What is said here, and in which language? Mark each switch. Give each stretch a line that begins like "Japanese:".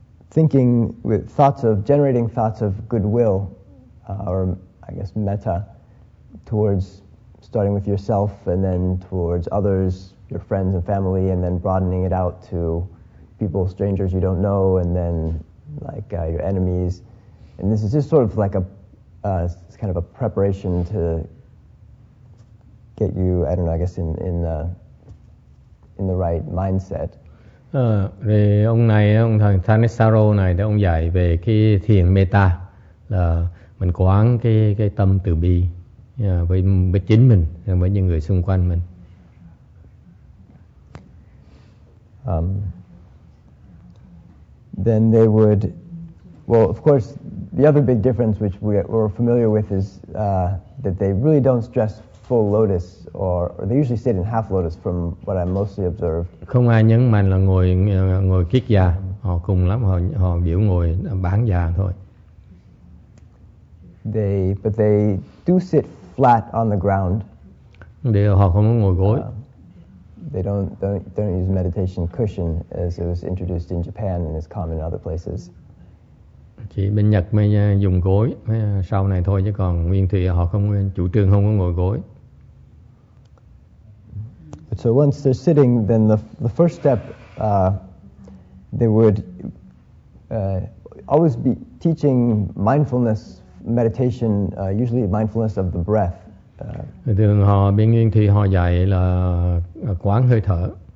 English: Thinking with thoughts of generating thoughts of goodwill, or I guess metta, towards starting with yourself and then towards others, your friends and family, and then broadening it out to people, strangers you don't know, and then like your enemies. And this is just sort of like it's kind of a preparation to get you, I don't know, I guess in the right mindset.
Vietnamese: Thì ông này, ông thầy Thanissaro này, thì ông dạy về cái thiền metta, là mình quán cái tâm từ bi với chính mình và với những người xung quanh mình.
English: Then they would, well, of course, the other big difference which we're familiar with is that they really don't stress full lotus, or they usually sit in half lotus, from what I mostly observed.
Vietnamese: Không ai nhấn mạnh là ngồi kiết già. Họ cùng lắm họ biểu ngồi bán già thôi.
English: But they do sit flat on the ground.
Vietnamese: Để họ không ngồi gối.
English: They don't use meditation cushion as it was introduced in Japan and is common in other places.
Vietnamese: Chỉ bên Nhật mới dùng gối mới sau này thôi, chứ còn nguyên thủy họ không chủ trương không có ngồi gối.
English: So once they're sitting, then the first step, they would always be teaching mindfulness meditation, usually mindfulness of the breath.
Vietnamese: Thường họ bên nguyên thủy họ dạy là quán hơi thở.